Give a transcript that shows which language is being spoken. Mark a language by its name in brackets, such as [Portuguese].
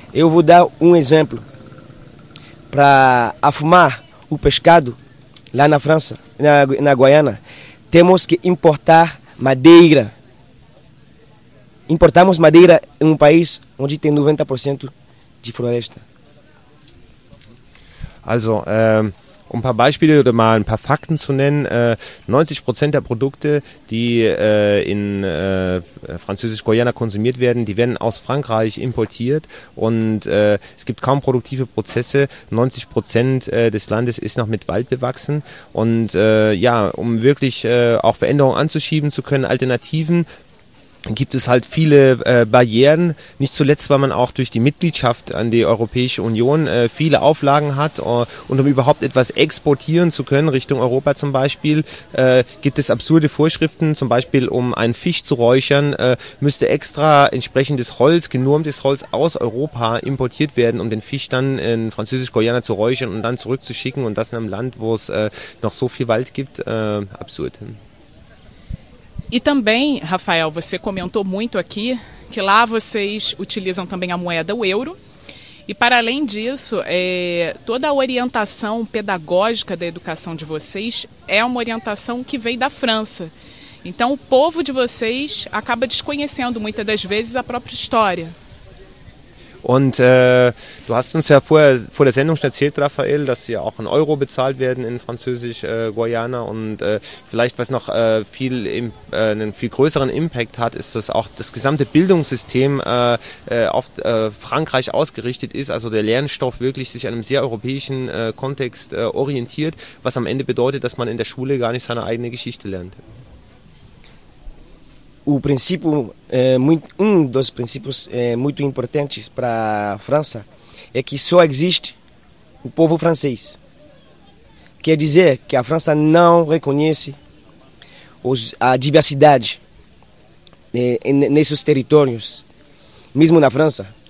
[Portuguese] Eu vou dar um exemplo. Para afumar o pescado lá na França, na Guiana, temos que importar madeira. Importamos madeira em um país onde tem 90% de floresta. [German] Also, um ein paar Beispiele oder mal ein paar Fakten zu nennen. 90% der Produkte, die in Französisch-Guayana konsumiert werden, die werden aus Frankreich importiert und es gibt kaum produktive Prozesse. 90% des Landes ist noch mit Wald bewachsen und ja, um wirklich auch Veränderungen anzuschieben zu können, Alternativen, gibt es halt viele Barrieren, nicht zuletzt, weil man auch durch die Mitgliedschaft an die Europäische Union viele Auflagen hat und um überhaupt etwas exportieren zu können, Richtung Europa zum Beispiel, gibt es absurde Vorschriften, zum Beispiel um einen Fisch zu räuchern, müsste extra entsprechendes Holz, genormtes Holz aus Europa importiert werden, um den Fisch dann in Französisch-Guayana zu räuchern und dann zurückzuschicken und das in einem Land, wo es noch so viel Wald gibt, absurd. [Portuguese] E também, Rafael, você comentou muito aqui que lá vocês utilizam também a moeda, o euro. E para além disso, toda a orientação pedagógica da educação de vocês é uma orientação que vem da França. Então o povo de vocês acaba desconhecendo muitas das vezes a própria história. [German] Und du hast uns ja vorher vor der Sendung schon erzählt, Raphael, dass sie auch in Euro bezahlt werden in Französisch Guayana. Und vielleicht, was noch einen viel größeren Impact hat, ist, dass auch das gesamte Bildungssystem auf Frankreich ausgerichtet ist. Also der Lernstoff wirklich sich an einem sehr europäischen Kontext orientiert, was am Ende bedeutet, dass man in der Schule gar nicht seine eigene Geschichte lernt. [Portuguese] O princípio, um dos princípios muito importantes para a França é que só existe o povo francês. Quer dizer que a França não reconhece a diversidade nesses territórios, mesmo na França.